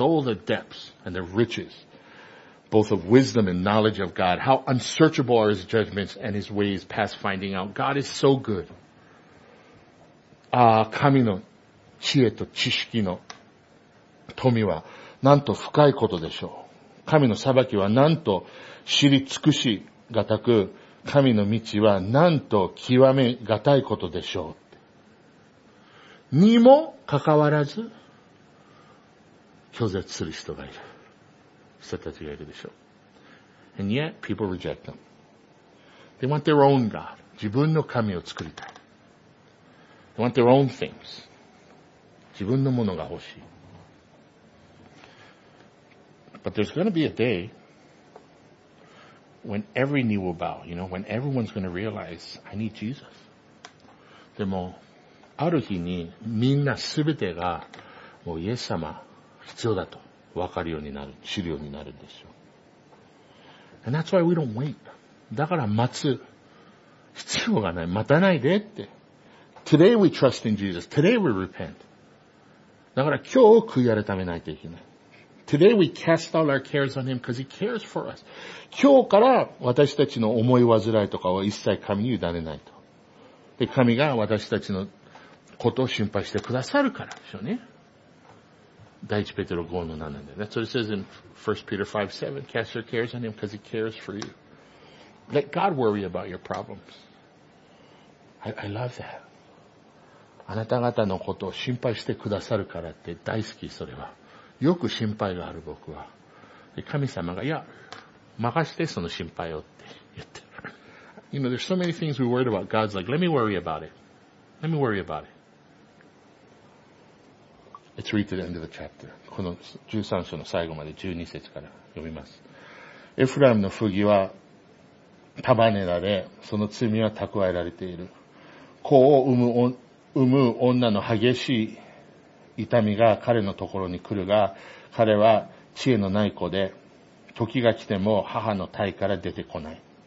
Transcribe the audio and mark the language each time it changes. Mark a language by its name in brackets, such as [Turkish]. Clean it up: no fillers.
[English] All the depths and the riches, both of wisdom and knowledge of God. How unsearchable are His judgments and His ways past finding out. God is so good. [Japanese] 神の知恵と知識の富はなんと深いことでしょう。神の裁きはなんと知り尽くしがたく、神の道はなんと極めがたいことでしょう。にもかかわらず、拒絶する人がいる。人たちがいるでしょう。 [English] And yet, people reject them. They want their own God. [Japanese] 自分の神を作りたい。 [English] They want their own things. [Japanese] 自分のものが欲しい。 [English] But there's going to be a day when every knee will bow, you know, when everyone's going to realize, I need Jesus. [Japanese] でも、ある日にみんなすべてがもうイエス様必要だと分かるようになる、知るようになるんですよ。 [English] And that's why we don't wait. [Japanese] だから待つ必要がない。待たないでって。 [English] Today we trust in Jesus. Today we repent. [Japanese] だから今日悔い改めないといけない。 [English] Today we cast all our cares on Him because He cares for us. [Japanese] 今日から私たちの思い煩いとかは一切神に委ねないと。で、神が私たちのことを心配してくださるからでしょうね。第一ペテロ5の7で。 [English] That's what it says in 1 Peter 5, 7. Cast your cares on Him because He cares for you. Let God worry about your problems. I love that. [Japanese] あなた方のことを心配してくださるからって大好き、それは。よく心配がある僕は。で、神様が、いや、任してその心配をって言ってる。 [English] You know, there's so many things we worried about. God's like, let me worry about it. Let me worry about it. Let's read to the end of the chapter. [Japanese] この13章の最後まで12節から読みます。エフライムの不義は束ねられ、その罪は蓄えられている。子を産む女の激しい痛みが彼のところに来るが、彼は知恵のない子で、時が来ても母の胎から出てこない。